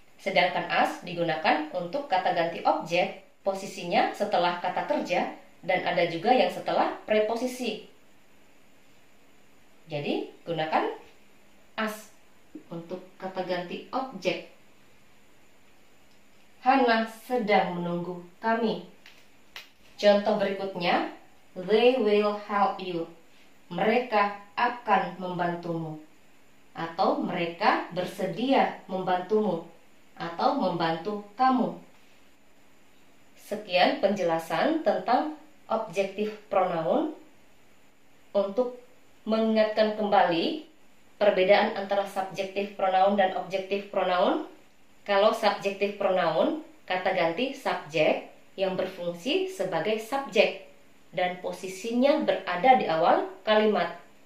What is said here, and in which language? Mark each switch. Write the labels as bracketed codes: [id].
[id] Sedangkan us digunakan untuk kata ganti objek, posisinya setelah kata kerja dan ada juga yang setelah preposisi. Jadi gunakan us untuk kata ganti objek. Hana sedang menunggu kami. Contoh berikutnya, [en] they will help you. [id] Mereka akan membantumu. Atau mereka bersedia membantumu. Atau membantu kamu. Sekian penjelasan tentang objective pronoun. Untuk mengingatkan kembali perbedaan antara subjective pronoun dan objective pronoun, kalau subjective pronoun, kata ganti subjek yang berfungsi sebagai subjek dan posisinya berada di awal kalimat.